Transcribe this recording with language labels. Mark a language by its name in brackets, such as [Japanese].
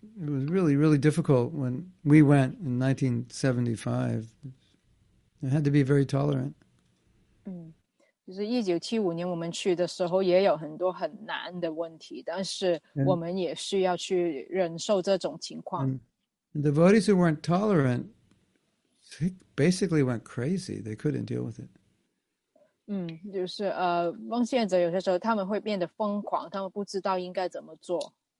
[English] It was really, really difficult when we went in 1975. It had to be very tolerant. [Chinese] 就是1975年我们去的时候也有很多很难的问题，但是我们也需要去忍受这种情况。 [English] And the devotees who weren't tolerant basically went crazy. They couldn't deal with it. [Chinese] 就是奉献者有些时候他们会变得疯狂，他们不知道应该怎么做。